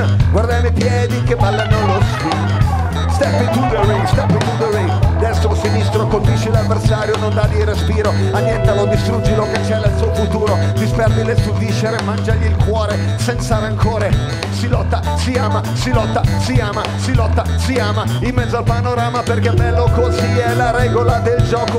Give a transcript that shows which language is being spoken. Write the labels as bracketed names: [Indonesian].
[Italian] Guarda i miei piedi che ballano lo swing. [English] Step into the ring, step into the ring. [Italian] Destro, sinistro, colpisci l'avversario, non dargli respiro. Annientalo, distruggilo, cancella il suo futuro. Disperdi le sue viscere, mangiagli il cuore senza rancore. Si lotta, si ama, si lotta, si ama, si lotta, si ama. In mezzo al panorama, perché è bello così, è la regola del gioco.